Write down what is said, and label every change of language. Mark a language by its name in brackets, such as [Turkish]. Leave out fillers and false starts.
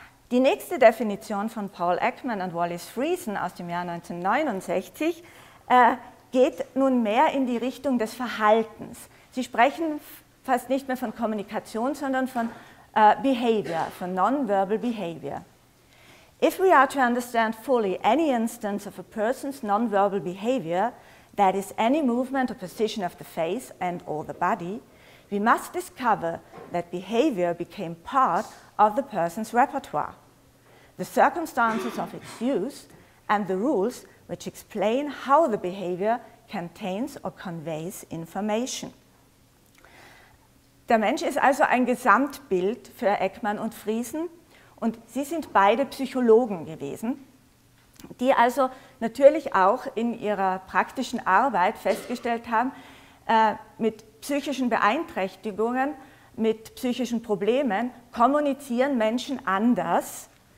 [German] Die nächste Definition von Paul Ekman und Wallis Friesen aus dem Jahr 1969 geht nun mehr in die Richtung des Verhaltens. Sie sprechen fast nicht mehr von Kommunikation, sondern von Behavior, von Nonverbal Behavior. [English] If we are to understand fully any instance of a person's nonverbal behavior, that is any movement or position of the face and or the body, we must discover that behavior became part of the person's repertoire. The circumstances of its use and the rules which explain how the behavior contains or conveys information. [German] Der Mensch ist also ein Gesamtbild für Ekman und Friesen und sie sind beide Psychologen gewesen, die also natürlich auch in ihrer praktischen Arbeit festgestellt haben, mit psychischen Beeinträchtigungen, mit psychischen Problemen kommunizieren Menschen anders.